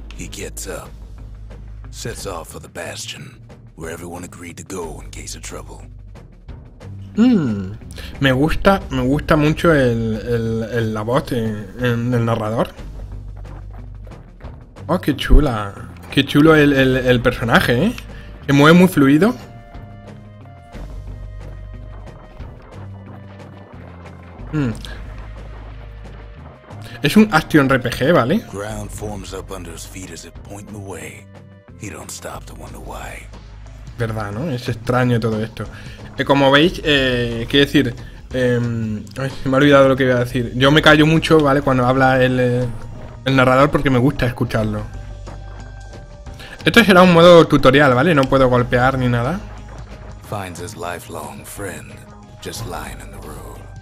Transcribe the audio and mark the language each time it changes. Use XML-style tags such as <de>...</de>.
<en>He gets up, sets off for the bastion, where everyone agreed to go in case of trouble.</en> <es>Me gusta mucho la voz en el narrador. Oh, qué chula. Qué chulo el personaje, ¿eh? Se mueve muy fluido. Es un Action RPG, ¿vale?</es> <en>Ground forms up under his feet as it point the way. He don't stop to wonder why.</en> <es>Verdad, ¿no? Es extraño todo esto. Como veis, quiero decir, me he olvidado lo que iba a decir. Yo me callo mucho, ¿vale? Cuando habla el narrador porque me gusta escucharlo. Esto será un modo tutorial, ¿vale? No puedo golpear ni nada.</es> <en>Finds his lifelong friend just lying in the road.</en>